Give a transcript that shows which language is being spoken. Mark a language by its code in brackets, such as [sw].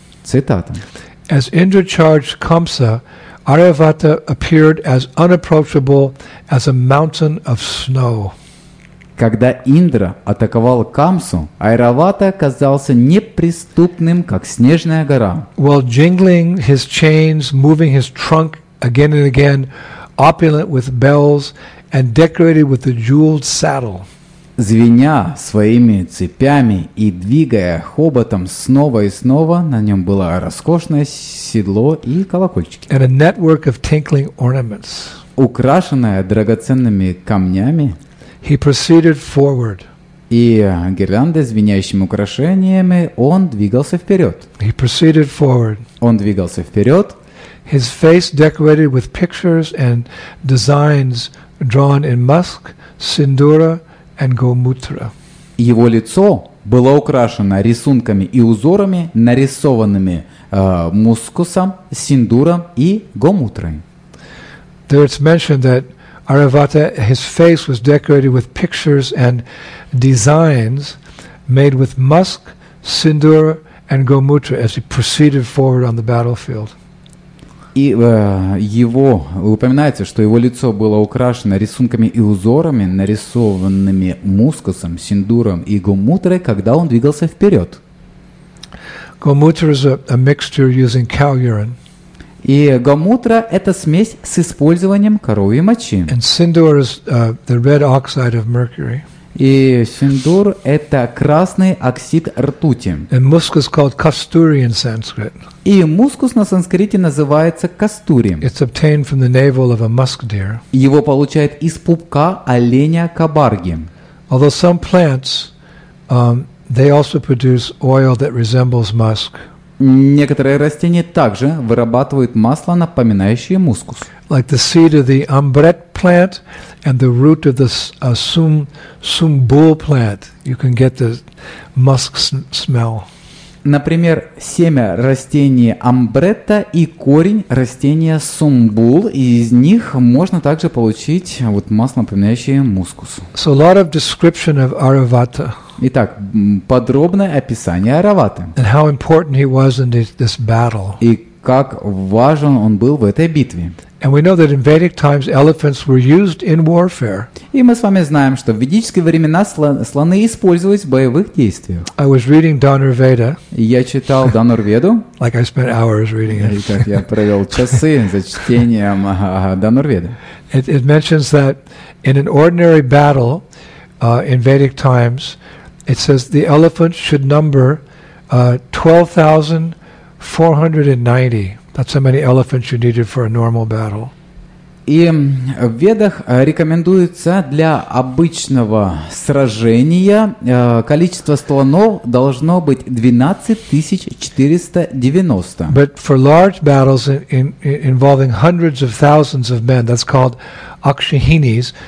[ru] Цитата. [en] As Indra charged Kamsa, Aravata appeared as unapproachable as a mountain of snow. [ru] Когда Индра атаковал Камсу, Айравата казался неприступным, как снежная гора. [en] While jingling his chains, moving his trunk again and again, opulent with bells and decorated with a jeweled saddle. [ru] Звеня своими цепями и двигая хоботом снова и снова, на нем было роскошное седло и колокольчики. [en] And a network of tinkling ornaments. [ru] Украшенное драгоценными камнями. [en] He proceeded forward. [ru] И гирлянды звенящими украшениями, он двигался вперед. [en] He proceeded forward. [ru] Он двигался вперед. [en] His face decorated with pictures and designs drawn in musk, sindura, and Gomutra. [ru] Его лицо было украшено рисунками и узорами, нарисованными мускусом, синдуром и гомутрой. [en] There it's mentioned that Aravata, his face was decorated with pictures and designs made with musk, sindur, and gomutra as he proceeded forward on the battlefield. [ru] И его упоминается, что его лицо было украшено рисунками и узорами, нарисованными мускусом, синдуром и гомутрой, когда он двигался вперед. [en] Gomutra is a mixture using cow urine. [ru] И гомутра – это смесь с использованием коровьей мочи. [en] And sindur is the red oxide of mercury. [ru] И синдур – это красный оксид ртути. [en] And muscus called kasturi in Sanskrit. [ru] И мускус на санскрите называется кастури. [en] It's obtained from the navel of a musk deer. [ru] Его получают из пупка оленя кабарги. [en] Although some plants, they also produce oil that resembles musk. [ru] Некоторые растения также вырабатывают масло, напоминающее мускус. [en] Like the seed of the umbret plant and the root of the sumbul plant, you can get the musk smell. [ru] Например, семя растения амбретта и корень растения сумбул, и из них можно также получить вот масло, напоминающее мускус. [en] So a lot of description of Aravata. [ru] Итак, подробное описание Араваты. [en] And how important he was in this battle. [ru] И как важен он был в этой битве. [en] And we know that in Vedic times elephants were used in warfare. [ru] И мы с вами знаем, что в ведические времена слоны использовались в боевых действиях. [en] I was reading Dhanurveda. [ru] Я читал Дханурведу. [en] Like I spent hours reading it. [ru] Так я провел часы за чтением Дханурведы. [en] It mentions that in an ordinary battle in Vedic times, it says the elephant should number 12,490. That's how many elephants you needed for a normal battle. [ru] И в Ведах рекомендуется для обычного сражения количество слонов должно быть 12,490. [en] But for large battles involving hundreds of thousands of men, that's called akshahinis.